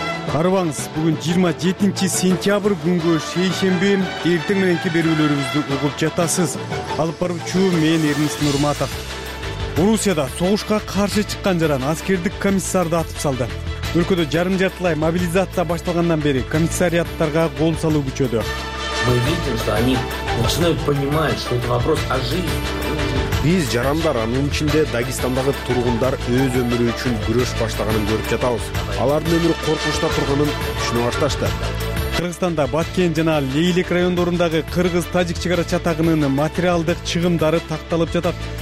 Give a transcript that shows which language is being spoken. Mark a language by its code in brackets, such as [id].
[ky] Карыбаңыз, бүгүн 27-сентябрь, күнгө шейшемби, эртең мененки берүүлөрүбүздү угуп жатасыз. Алып баруучу мен Эрнис Нурматов. Орусияда согушка каршы чыккан жаран аскердик комиссарды атып салды. Өлкөдө жарым жартылай мобилизация башталгандан бери комиссариаттарга кол салуу күчөдү. [ru] Мы видим, что они начинают понимать, что это вопрос о жизни. [ky] Биз жарандар анын ичинде Дагестандагы тургундар өз өмүрү үчүн күрөш баштаганын көрүп жатабыз. Алардын өмүрү коркунучта турганын түшүнө башташты. Кыргызстанда Баткен жана Лейлек райондорундагы кыргыз-тажик чекара чатагынын материалдык чыгымдары такталып жатат.